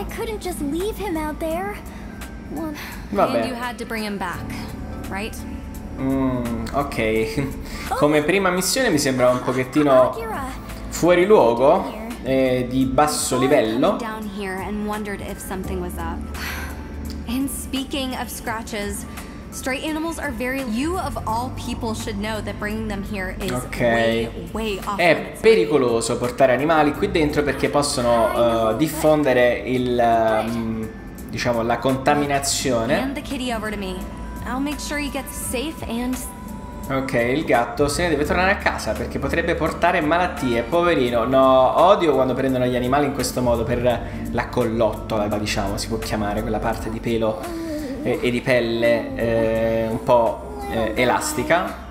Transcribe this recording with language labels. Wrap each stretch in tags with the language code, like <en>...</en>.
<en>I couldn't just leave him out there.</en> <it>Vabbè.</it> <en>And you had to bring him back, right? Ok.</en> <it>Come prima missione mi sembra un pochettino fuori luogo e di basso livello.</it> <en>Down here and wondered if something was up. And speaking of scratches, stray animals are very... You of all people should know that bringing them here is way, way off.</en> <it>È pericoloso portare animali qui dentro perché possono diffondere il... diciamo, la contaminazione.</it> <en>Hand the kitty over to me. I'll make sure he gets safe and...</en> <it>Ok, il gatto se ne deve tornare a casa perché potrebbe portare malattie, poverino. No, odio quando prendono gli animali in questo modo per la collottola, diciamo, si può chiamare quella parte di pelo e di pelle un po' elastica.</it>